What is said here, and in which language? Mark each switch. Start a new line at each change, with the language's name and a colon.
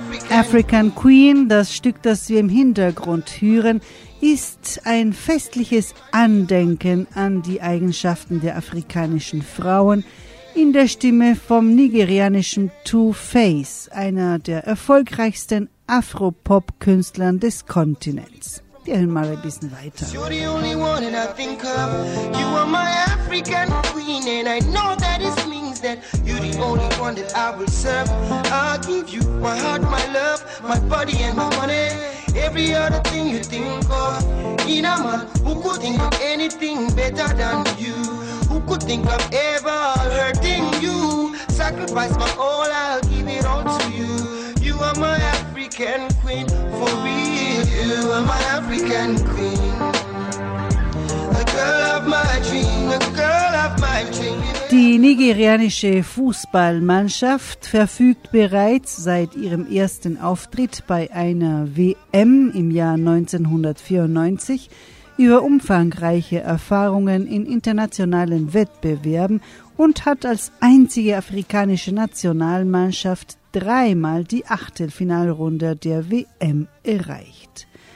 German: African Queen, das Stück, das wir im Hintergrund hören, ist ein festliches Andenken an die Eigenschaften der afrikanischen Frauen in der Stimme vom nigerianischen Two-Face, einer der erfolgreichsten Afro-Pop-Künstlern des Kontinents. Wir hören mal ein bisschen weiter.
English: You're the only one and I think of. You are my African queen and I know that it means that you're the only one that I will serve. I'll give you my heart, my love, my body and my money. Every other thing you think of. In a man, who could think of anything better than you? Who could think of ever hurting you? Sacrifice my all, I'll give it all to you. You are my African queen, for real. You are my African queen. A girl of my dream, a girl of my dream.
German: Die nigerianische Fußballmannschaft verfügt bereits seit ihrem ersten Auftritt bei einer WM im Jahr 1994 über umfangreiche Erfahrungen in internationalen Wettbewerben und hat als einzige afrikanische Nationalmannschaft dreimal die Achtelfinalrunde der WM erreicht.